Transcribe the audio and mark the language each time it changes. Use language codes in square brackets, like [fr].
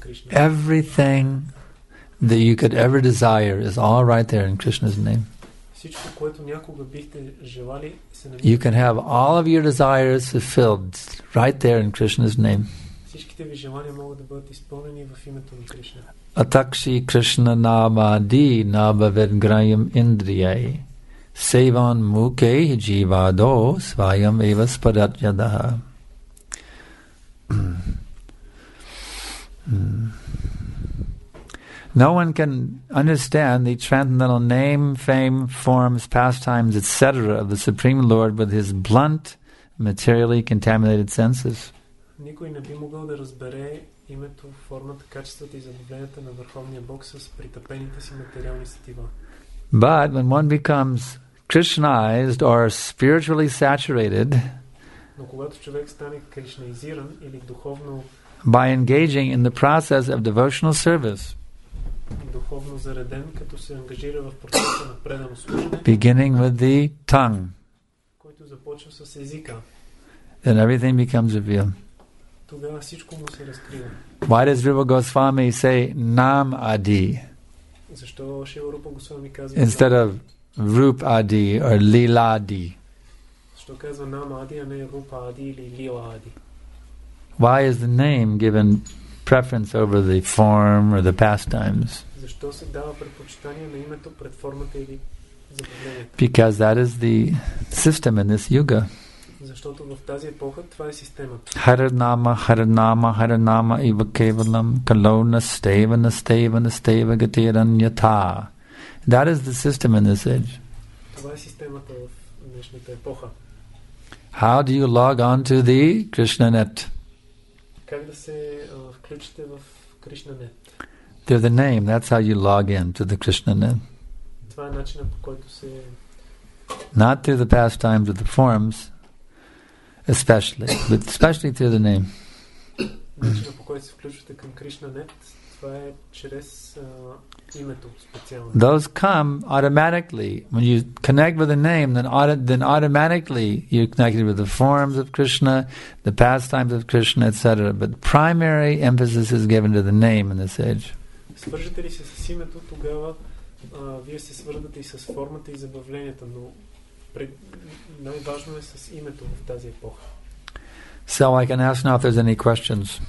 [en] Everything that you could ever desire is all right there in Krishna's name. [bg] всичко, което някога бихте желали, се намира. [en] You can have all of your desires fulfilled right there in Krishna's name. [bg] Всичките ви желания могат да бъдат изпълнени в името на Кришна. [sa] Атакши Кришна намади набавенграям индрияй. Сейван муке дживадо свайам ева спарадядаха. [en] No one can understand the transcendental name, fame, forms, pastimes, etc. of the Supreme Lord with his blunt, materially contaminated senses. [bg] Никой не би могъл да разбере името, формата, качествата и задоволенията на Върховния Бог с притъпените си материални сетива. [en] But when one becomes Krishnaized or spiritually saturated, [bg] но когато човек стане кришнаизиран или духовно, [en] by engaging in the process of devotional service, [bg] духовно зареден, като се ангажира в процеса на предано служене, [en] beginning with the tongue, [bg] който започва с езика, [en] then everything becomes revealed. [bg] Тогава всичко му се разкрива. [en] Why does Rupa Goswami say Nam Adi? [bg] Защо Шива Рупа Госвами казва [en] instead of Rup Adi or Lila Adi? [bg] Защо казва Нам Ади, а не Рупа Ади или Лила Ади? [en] Why is the name given preference over the form or the pastimes? [bg] Защо се дава предпочитание на името пред формата или забавлението? [en] Because that is the system in this yuga. [bg] Защото в тази епоха това е системата. [sa] Харнама, харнама, харнама, ива кевалам, калона, стева, на стева, на стева, гатираньята. [en] That is the system in this age. [bg] Това е системата в днешната епоха. [en] How do you log on to the Krishna net? [bg] Как да се включите в Krishna net? [en] Through the name, that's how you log in to the Krishna net. [bg] Това е начинът, по който се... [en] Not through the pastimes or the forms, especially, but especially through the name. [bg] Начинът, по който се включвате към Krishna net, това е чрез името специално. [en] Those come automatically. When you connect with the name, then automatically you're connected with the forms of Krishna, the pastimes of Krishna, etc. But primary emphasis is given to the name in this age. [bg] Свържете ли се с името, тогава вие се свързвате и с формата и забавленията, но най-важно е с името в тази епоха. [en] So I can ask now if there's any questions.